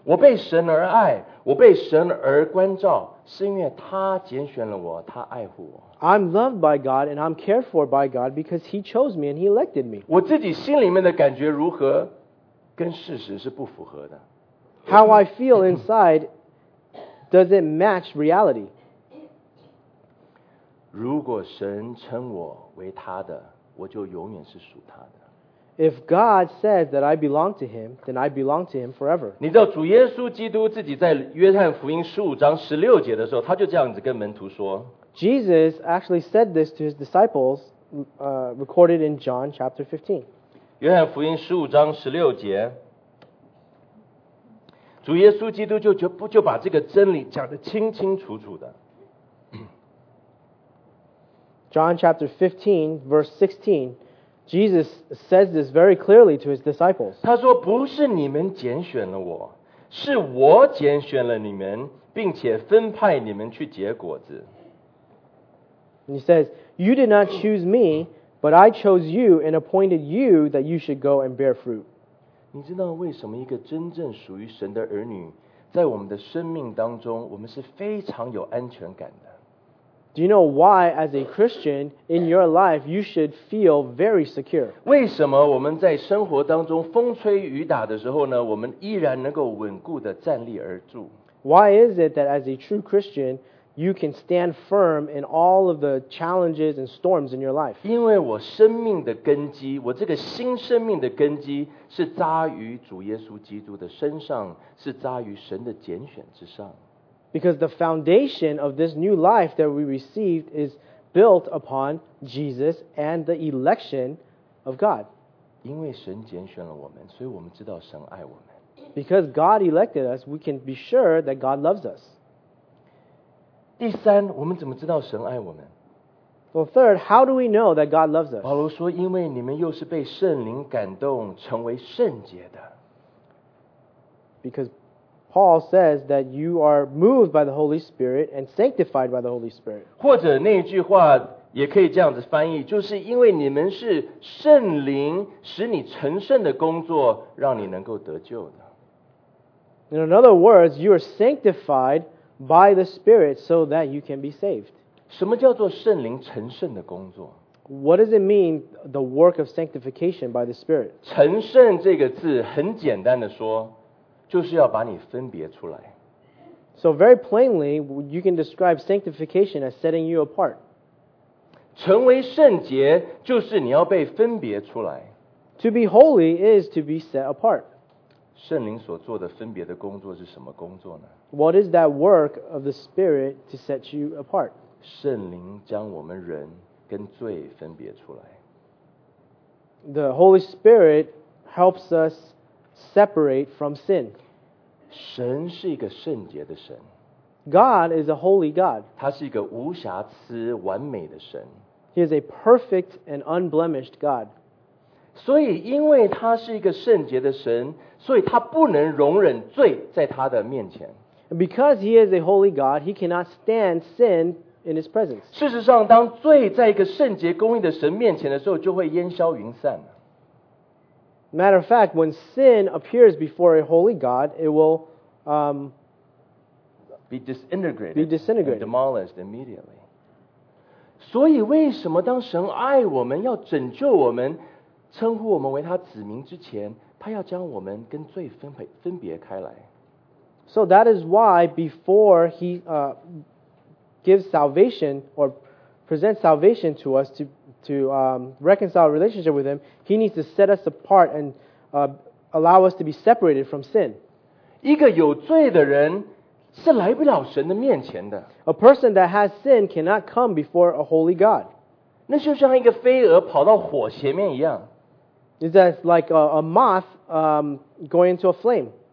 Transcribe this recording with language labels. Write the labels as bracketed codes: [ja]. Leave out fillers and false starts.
[zh] 我被神而爱，我被神而关照，是因为他拣选了我，他爱护我。 [en] I'm loved by God and I'm cared for by God because He chose me and He elected me. [zh] 我自己心里面的感觉如何，跟事实是不符合的。 [en] How I feel inside, does it match reality? [zh] 如果神称我为他的，我就永远是属他的。 [en] If God says that I belong to Him, then I belong to Him forever. [zh] 你知道主耶稣基督自己在约翰福音十五章十六节的时候，他就这样子跟门徒说。 [en] Jesus actually said this to his disciples, recorded in John chapter 15. [zh] 约翰福音十五章十六节，主耶稣基督就把这个真理讲得清清楚楚的。 [en] John chapter 15 verse 16. Jesus says this very clearly to his disciples. [zh] 他说不是你们拣选了我，是我拣选了你们，并且分派你们去结果子。 [en] And he says, you did not choose me, but I chose you and appointed you that you should go and bear fruit. [zh] 你知道为什么一个真正属于神的儿女，在我们的生命当中，我们是非常有安全感的。 [en] Do you know why, as a Christian, in your life, you should feel very secure? [zh] 为什么我们在生活当中风吹雨打的时候呢，我们依然能够稳固地站立而住？ [en] Why is it that as a true Christian, you can stand firm in all of the challenges and storms in your life? [zh] 因为我生命的根基，我这个新生命的根基是扎于主耶稣基督的身上，是扎于神的拣选之上。 [en] Because the foundation of this new life that we received is built upon Jesus and the election of God. [zh] 因为神拣选了我们，所以我们知道神爱我们。 [en] Because God elected us, we can be sure that God loves us. [zh] 第三，我们怎么知道神爱我们？ [en] Well, third, how do we know that God loves us? [zh] 保罗说，因为你们又是被圣灵感动，成为圣洁的。 [en] Because Paul says that you are moved by the Holy Spirit and sanctified by the Holy Spirit. [zh] 或者那句话也可以这样子翻译，就是因为你们是圣灵使你成圣的工作，让你能够得救的。 [en] In other words, you are sanctified by the Spirit so that you can be saved. [zh] 什么叫做圣灵成圣的工作？ [en] What does it mean, the work of sanctification by the Spirit? [zh] 成圣这个字很简单的说，就是要把你分别出来。 [en] So very plainly, you can describe sanctification as setting you apart. [zh] 成为圣洁就是你要被分别出来。 [en] To be holy is to be set apart. [zh] 圣灵所做的分别的工作是什么工作呢？ [en] What is that work of the Spirit to set you apart? [zh] 圣灵将我们人跟罪分别出来。 [en] The Holy Spirit helps us separate from sin. [zh] 神是一个圣洁的神。 [en] God is a holy God. [zh] 他是一个无瑕疵完美的神。 [en] He is a perfect and unblemished God. [zh] 所以因为他是一个圣洁的神，所以他不能容忍罪在他的面前。 [en] Because he is a holy God, he cannot stand sin in his presence. [zh] 事实上当罪在一个圣洁公义的神面前的时候，就会烟消云散。 [en] Matter of fact, when sin appears before a holy God, it will be disintegrated. And demolished immediately. [zh] 所以为什么当神爱我们，要拯救我们，称呼我们为他子民之前，他要将我们跟罪分别开来。 [en] So that is why before he gives salvation or presents salvation to us to reconcile a relationship with Him, He needs to set us apart and allow us to be separated from sin. [zh] 一个有罪的人是来不了神的面前的。 [en] A person that has sin cannot come before a holy God. [zh] 那就像一个飞蛾跑到火前面一样。 [en] It's just like a moth going into a flame.